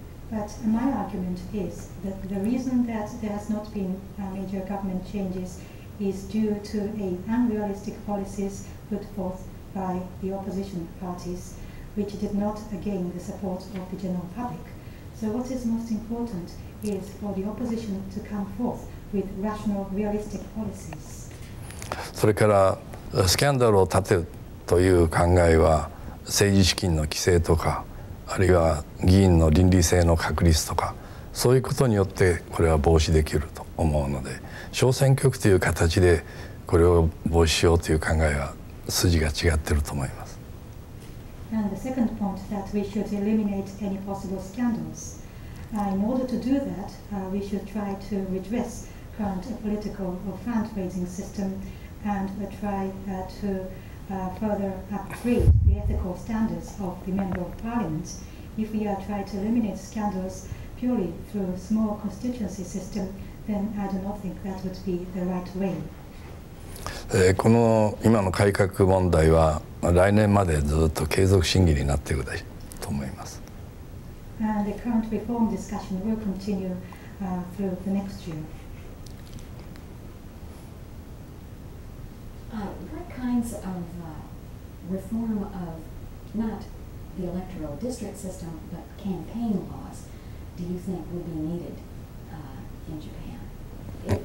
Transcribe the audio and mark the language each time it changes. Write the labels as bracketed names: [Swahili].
[English] But my argument is that the reason that there has not been major government changes is due to an unrealistic policies put forth by the opposition parties. Which did not gain the support of the general public. So, what is most important is for the opposition to come forth with rational, realistic policies. [Japanese] それからスキャンダルを立てるという考えは、政治資金の規制とか、あるいは議員の倫理性の確立とか、そういうことによってこれは防止できると思うので、小選挙区という形でこれを防止しようという考えは筋が違っていると思います。 [English] And the second point that we should eliminate any possible scandals. In order to do that, we should try to redress current political or fundraising system and try to further upgrade the ethical standards of the Member of Parliament. If we are trying to eliminate scandals purely through a small constituency system, then I do not think that would be the right way. [Japanese] この今の改革問題は来年までずっと継続審議になっていくだと思います。 [English] The current reform discussion will continue through the next year. What kinds of reform of not the electoral district system but campaign laws do you think will be needed in Japan?